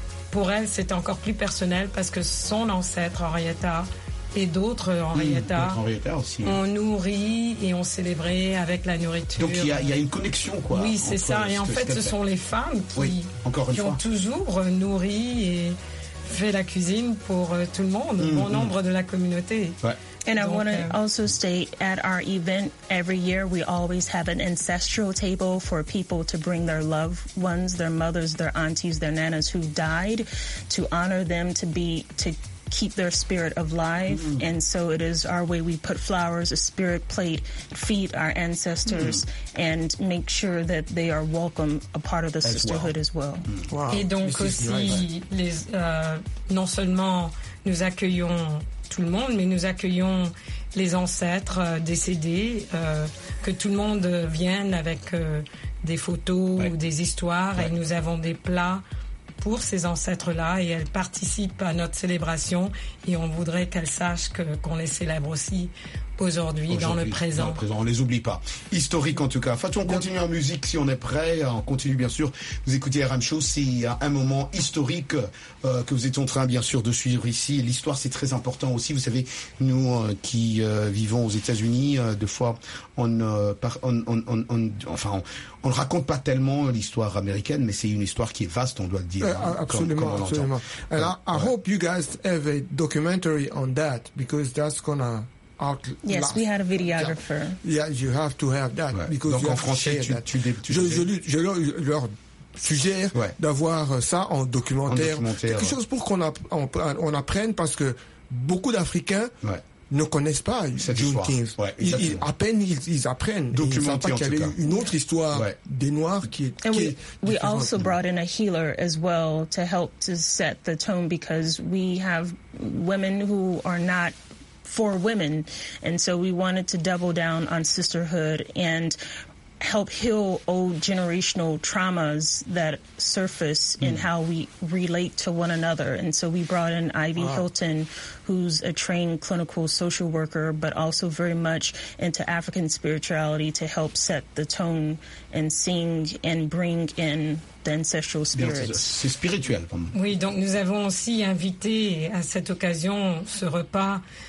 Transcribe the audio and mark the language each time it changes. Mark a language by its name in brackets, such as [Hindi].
[French] Pour elle, c'est encore plus personnel parce que son ancêtre, Henrietta, et d'autres Henrietta, ont nourri et ont célébré avec la nourriture. Donc, il y a une connexion, quoi. Oui, c'est ça. Et en fait, ce sont les femmes qui ont toujours nourri et fait la cuisine pour tout le monde, bon nombre de la communauté. Ouais. [English] And I want to also state, at our event every year, we always have an ancestral table for people to bring their loved ones, their mothers, their aunties, their nanas who died, to honor them, to keep their spirit alive. Mm-hmm. And so it is our way. We put flowers, a spirit plate, feed our ancestors, mm-hmm. and make sure that they are welcome, a part of the sisterhood as well. Wow. [French] Et donc aussi, non seulement nous accueillons tout le monde, mais nous accueillons les ancêtres décédés, que tout le monde vienne avec des photos ou des histoires, et nous avons des plats pour ces ancêtres-là, et elles participent à notre célébration, et on voudrait qu'elles sachent qu'on les célèbre aussi aujourd'hui, dans le présent. Dans le présent, on ne les oublie pas. Historique en tout cas. Fatou, on continue en musique si on est prêt. On continue bien sûr. Vous écoutez RM Show, c'est un moment historique que vous êtes en train bien sûr de suivre ici. L'histoire, c'est très important aussi. Vous savez, nous qui vivons aux États-Unis, des fois, on ne raconte pas tellement l'histoire américaine, mais c'est une histoire qui est vaste, on doit le dire. Absolument, absolument. [English] And I hope you guys have a documentary on that, because that's going to... Yes, we had a videographer. Yeah, you have to have that. Ouais. Because [French] donc en français, je leur suggère d'avoir ça en documentaire. Quelque chose pour qu'on apprenne, parce que beaucoup d'Africains ne connaissent pas Juneteenth. Ouais, ils, à peine ils apprennent. Documenté, ils ne savent pas qu'il y avait une autre histoire des Noirs qui est. [English] And we also brought in a healer as well to help to set the tone because we have women who are not. For women, and so we wanted to double down on sisterhood and help heal old generational traumas that surface in how we relate to one another. And so we brought in Ivy Hilton, who's a trained clinical social worker, but also very much into African spirituality to help set the tone and sing and bring in the ancestral spirits. [French] C'est spirituel, pardon. Oui, donc nous avons aussi invité à cette occasion ce repas.